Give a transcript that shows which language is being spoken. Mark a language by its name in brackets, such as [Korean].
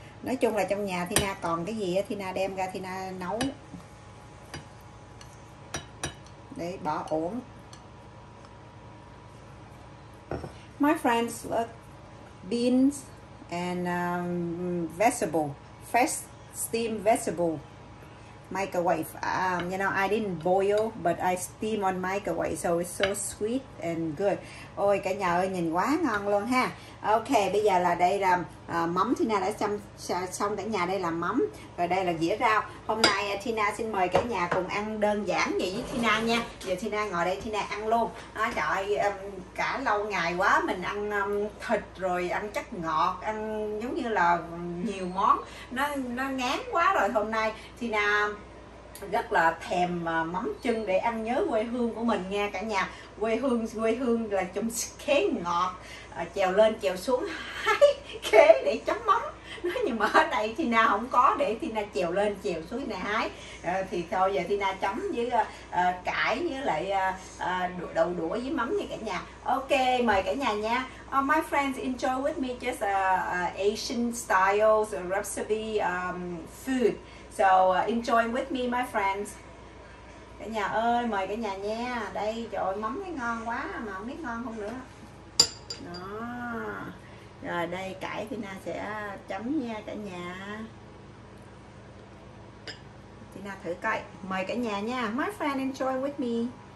[Vietnamese] Nói chung là trong nhà Tina còn cái gì á Tina đem ra Tina nấu để bỏ uổng. [English] My friends, look, beans and vegetable, fresh steamed vegetable microwave. You know, I didn't boil but I steam on microwave, so it's so sweet and good. [Vietnamese] Ôi cả nhà ơi, nhìn quá ngon luôn ha. Ok, bây giờ là đây là mắm Tina đã xong cả nhà. Đây là mắm và đây là dĩa rau. Hôm nay Tina xin mời cả nhà cùng ăn đơn giản vậy với Tina nha. Giờ Tina ngồi đây Tina ăn luôn. Trời, cả lâu ngày quá mình ăn thịt rồi ăn chất ngọt, ăn giống như là nhiều món, nó ngán quá rồi. Hôm nay Tina rất là thèm mắm chân để ăn nhớ quê hương của mình nha cả nhà. Quê hương là chấm khế ngọt, trèo lên trèo xuống hái khế để chấm mắm. Nhưng mà ở đây Tina không có để Tina trèo lên trèo xuống này hái. Thì thôi giờ Tina chấm với cải với lại đậu đũa với mắm nha cả nhà. Ok, mời cả nhà nha. [English] My friends, enjoy with me just Asian style recipe food. So enjoy with me my friends. [Vietnamese] Cả nhà ơi, mời cả nhà nha. Đây, trời ơi, mắm thấy ngon quá mà không biết ngon không nữa. Đó. Rồi đây, cải Tina sẽ chấm nha cả nhà. Tina thử coi. Mời cả nhà nha. [English] My friend, enjoy with me.